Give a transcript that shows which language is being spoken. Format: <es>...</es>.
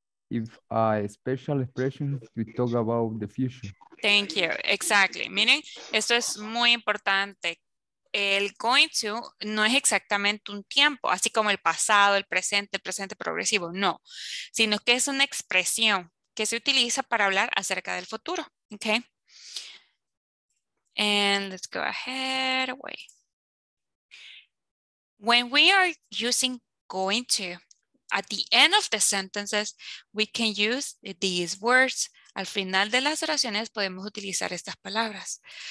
<en>If a special expression, we talk about the future. Thank you, exactly.</en> <es>Miren, esto es muy importante. El going to no es exactamente un tiempo, así como el pasado, el presente progresivo, no. Sino que es una expresión que se utiliza para hablar acerca del futuro.</es> <en>Okay. And let's go ahead away. When we are using going to, at the end of the sentences, we can use these words.</en> <es>Al final de las oraciones podemos utilizar estas palabras.</es>